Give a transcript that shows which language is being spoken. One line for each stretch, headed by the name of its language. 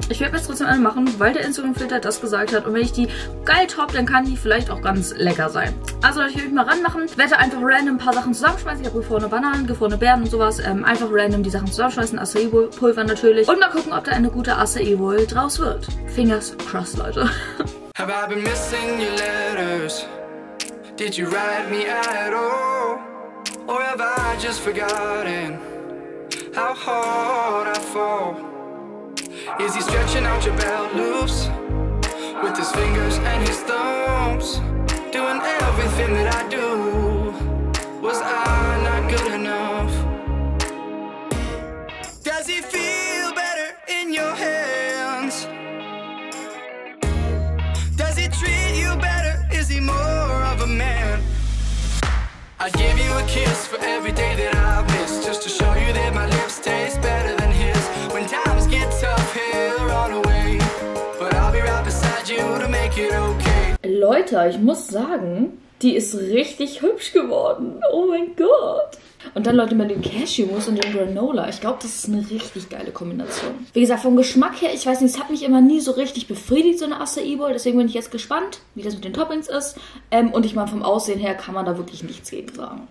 German: Ich werde mir jetzt trotzdem eine machen, weil der Instagram-Filter das gesagt hat. Und wenn ich die geil top, dann kann die vielleicht auch ganz lecker sein. Also Leute, ich werde mich mal ranmachen. Werde einfach random ein paar Sachen zusammenschmeißen. Ich habe gefrorene Bananen, gefrorene Beeren und sowas. Einfach random die Sachen zusammenschmeißen. Acai Bowl Pulver natürlich. Und mal gucken, ob da eine gute Acai Bowl draus wird.
English: Fingers crossed,
German: Leute.
English: Have I been missing your letters? Did you write me at all? Or have I just forgotten how hard I fall? Is he stretching out your belt loops with his fingers and his thumbs? Doing everything that I do, was I not good enough? Does he feel better in your hands? Does he treat you better? Is he more of a man? I'd give you a kiss for every day that I've missed, just to show you that my lips taste better than his. When times get tough, he'll run away, but I'll be right beside you to make it okay.
German: Leute, ich muss sagen, die ist richtig hübsch geworden. Oh mein Gott. Und dann, Leute, mit dem Cashew-Mus und dem Granola. Ich glaube, das ist eine richtig geile Kombination. Wie gesagt, vom Geschmack her, ich weiß nicht, es hat mich immer nie so richtig befriedigt, so eine Acai Bowl. Deswegen bin ich jetzt gespannt, wie das mit den Toppings ist. Und ich meine, vom Aussehen her kann man da wirklich nichts gegen sagen.